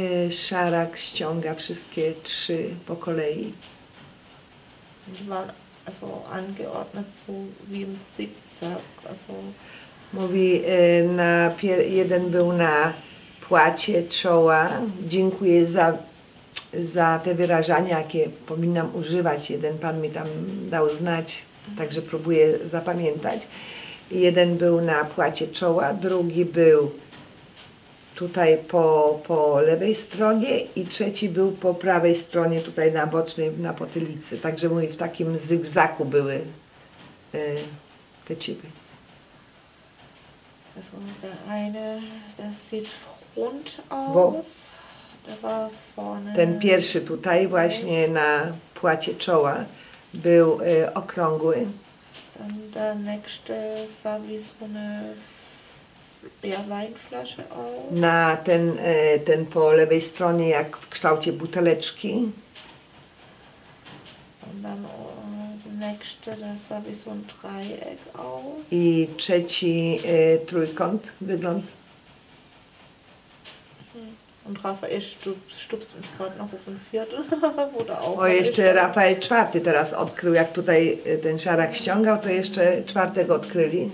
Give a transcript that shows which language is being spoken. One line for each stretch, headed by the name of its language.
Polish: Szarak ściąga wszystkie trzy po kolei.
German: also angeordnet, so wie im Zickzack. Also
Polish: mówi, jeden był na płacie czoła. Dziękuję za te wyrażania, jakie powinnam używać. Jeden pan mi tam dał znać, także próbuję zapamiętać. Jeden był na płacie czoła, drugi był tutaj po lewej stronie i trzeci był po prawej stronie, tutaj na bocznej, na potylicy. Także mówię, w takim zygzaku były te ciepły.
German: Also der eine, das sieht rund aus, der war vorne.
Polish: Ten pierwszy tutaj właśnie na płacie czoła był okrągły.
German: Dann der nächste sah wie so eine Weinflasche aus.
Polish: Na ten po lewej stronie jak w kształcie buteleczki.
German: Und dann nächste, das sah wie so ein Dreieck aus.
Polish: I trzeci trójkąt wygląd.
German: Und Raphael stupst mich gerade noch auf ein Viertel, wo da auch.
Polish: O, jeszcze Rafael czwarty teraz odkrył, jak tutaj ten szarak ściągał, to jeszcze czwartego odkryli.